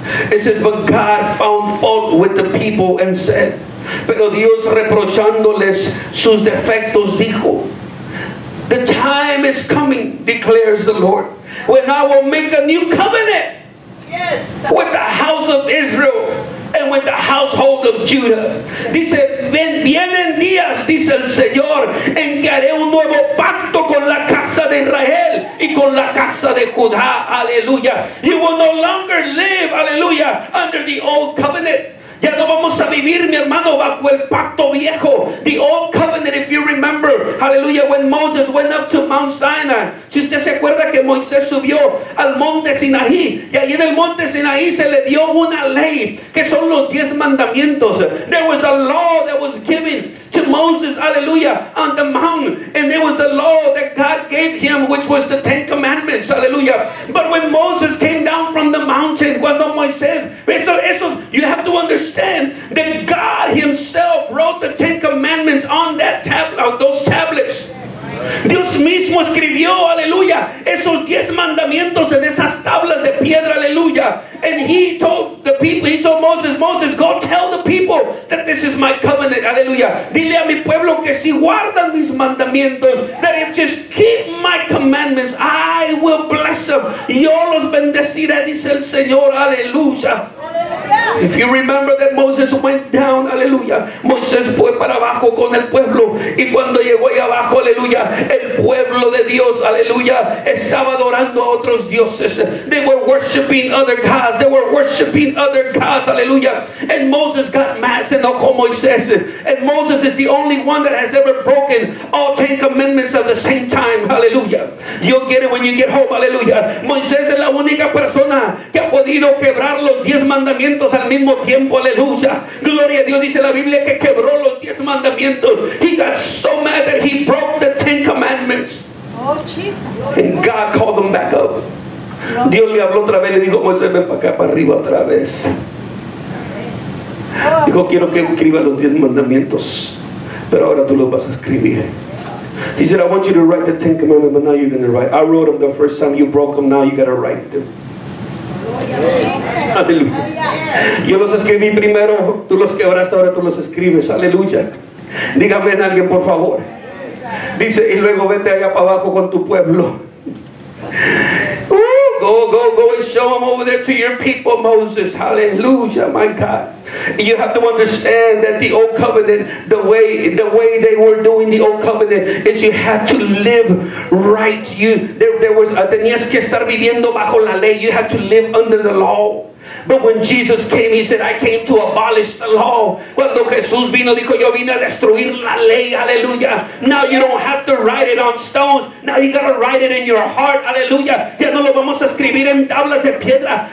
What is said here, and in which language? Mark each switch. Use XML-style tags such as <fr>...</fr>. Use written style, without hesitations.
<en>It says, but God found fault with the people and said,</en> <es>pero Dios reprochándoles sus defectos dijo,</es> <en>the time is coming, declares the Lord, when I will make a new covenant. Yes. With the house of Israel and with the household of Judah.</en> <es>Dice, vienen días, dice el Señor, en que haré un nuevo pacto con la casa de Israel y con la casa de Judá. Aleluya.</es> <en>You will no longer live, aleluya, under the old covenant.</en> <es>Ya no vamos a vivir, mi hermano, bajo el pacto viejo.</es> <en>The old covenant, if you remember, Hallelujah. When Moses went up to Mount Sinai,</en> <es>si usted se acuerda que Moisés subió al monte Sinaí, y ahí en el monte Sinaí se le dio una ley, que son los 10 mandamientos.</es> <en>There was a law that was given to Moses, hallelujah, on the mount, and there was the law that God gave him, which was the 10 commandments, hallelujah. But when Moses came down from the mountain,</en> <es>cuando Moisés, eso,</es> <en>you have to understand that God himself wrote the 10 commandments on that tablet, those tablets.</en> <es>Dios mismo escribió, aleluya, esos 10 mandamientos en esas tablas de piedra, aleluya.</es> <en>And he told the people, he told Moses, Moses, go tell the people that this is my covenant, aleluya.</en> <es>Dile a mi pueblo que si guardan mis mandamientos,</es> <en>that if just keep my commandments, I will bless them.</en> <es>Yo los bendeciré, dice el Señor, aleluya.</es> <en>If you remember that Moses went down,</en> <es>aleluya, Moisés fue para abajo con el pueblo, y cuando llegó ahí abajo, aleluya, el pueblo de Dios, aleluya, estaba adorando a otros dioses.</es> <en>They were worshiping other gods. They were worshiping other gods, aleluya. And Moses got mad,</en> <es>se enojó Moisés.</es> <en>And Moses is the only one that has ever broken all 10 commandments at the same time, aleluya. You'll get it when you get home, aleluya.</en> <es>Moisés es la única persona que ha podido quebrar los 10 mandamientos al mismo tiempo, aleluya. Gloria a Dios, dice la Biblia que quebró los 10 mandamientos.</es> <en>He got so mad that he broke the 10 commandments. Oh, Jesus. And God called him back up.</en> <es>Dios le habló otra vez, le dijo, Moisés, ven para acá, para arriba otra vez. Dijo, quiero que escriba los 10 mandamientos, pero ahora tú los vas a escribir.</es> <en>He said, I want you to write the 10 commandments, but now you're going to write. I wrote them the first time, you broke them, now you got to write them.</en> <es>Aleluya. Yo los escribí primero, tú los quebraste, ahora tú los escribes, aleluya. Dígame a alguien, por favor. Dice, y luego vete allá para abajo con tu pueblo.</es> <en>Go and show them over there to your people, Moses. Hallelujah, my God. You have to understand that the old covenant, the way they were doing the old covenant, is you had to live right.</en> <es>Tenías que estar viviendo bajo la ley.</es> <en>You had to live under the law. But when Jesus came, he said, I came to abolish the law.</en> <es>Cuando Jesús vino, dijo, yo vine a destruir la ley, aleluya.</es> <en>Now you don't have to write it on stones. Now you gotta write it in your heart, aleluya.</en> <es>Ya no lo vamos a escribir en tablas de piedra.</es>